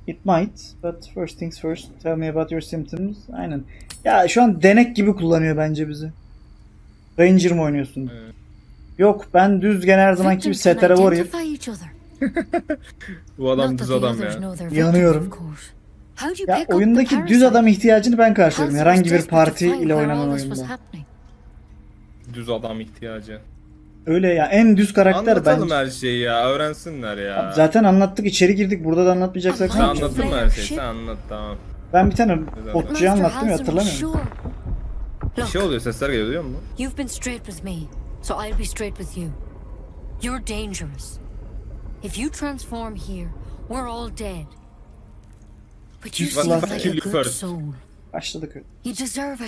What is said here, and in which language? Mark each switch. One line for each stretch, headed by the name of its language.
English: It might, but first things first, tell me about your symptoms.
Turkish: Aynen. Ya şu an denek gibi kullanıyor bence bizi. Ranger mi oynuyorsun? Evet. Yok ben düz gene her zaman gibi setere varayım. Bu adam düz adam ya. Yanıyorum. Ya oyundaki düz adam ihtiyacını ben karşıladım. Herhangi bir parti ile oynanan oyunda. Düz adam ihtiyacı. Öyle ya en düz karakter ben. Anlatalım bence. Her şeyi ya öğrensinler ya. Abi zaten anlattık içeri girdik burada da anlatmayacaksak. Sen anlattın mı her şeyi sen anlat tamam. Ben bir tane botçuya anlattım ya hatırlamıyorum. Bir şey oluyor, sesler geliyor, duyuyor musun?
English: You've been straight with me, so I'll be straight with you. You're dangerous. If you transform here, we're all dead. But you seem like a good soul.
Turkish: Başladık.
English: You deserve a